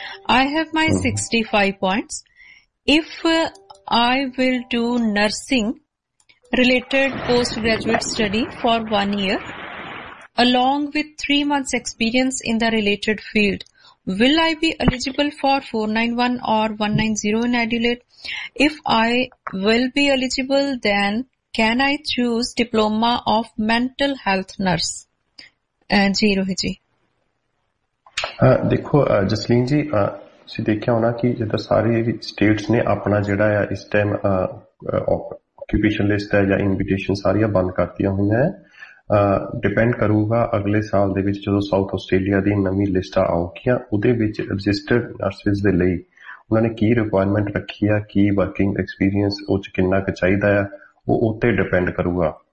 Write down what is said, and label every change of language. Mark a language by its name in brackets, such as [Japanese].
[English] I have my 65 points. If I will do nursing related post graduate study for 1 year along with 3 months experience in the related field, will I be eligible for 491 or 190 in Adelaide? If I will be eligible, then can I choose diploma of mental health nurse? [Hindi] जी रोहित जी, देखो जसलीन जी, [Punjabi] ਸੀ ਦੇਖਿਆ ਹੋਣਾ ਕਿ ਜਿੱਦਾਂ ਸਾਰੇ status ਨੇ ਆਪਣਾ ਜਿਹੜਾ ਆ ਇਸ ਟਾਈਮ ਆਕਿਊਪੇਸ਼ਨ ਲਿਸਟ ਹੈ ਜਾਂ ਇਨਵੀਟੇਸ਼ਨ ਸਾਰੀਆਂ ਬੰਦ ਕਰਤੀਆਂ ਹੋਈਆਂ। ਡਿਪੈਂਡ ਕਰੂਗਾ ਅਗਲੇ ਸਾਲ ਦੇ ਵਿੱਚ ਜਦੋਂ ਸਾਊਥ ਆਸਟ੍ਰੇਲੀਆ ਦੀ ਨਵੀਂ ਲਿਸਟਾਂ ਆਊਗੀਆਂ, ਉਹਦੇ ਵਿੱਚ ਰਜਿਸਟਰਡ ਨਰਸਿਸ ਦੇ ਲਈ ਉਹਨਾਂ ਨੇ ਕੀ ਰਿਕੁਆਇਰਮੈਂਟ ਰੱਖੀ ਆ, ਕੀ ਵਰਕਿੰਗ ਐਕਸਪੀਰੀਅੰਸ ਉਹ ਚ ਕਿੰਨਾ ਕੁ ਚਾਹੀਦਾ ਆ, ਉਹ ਉੱਤੇ ਡਿਪੈਂਡ ਕਰੂਗਾ।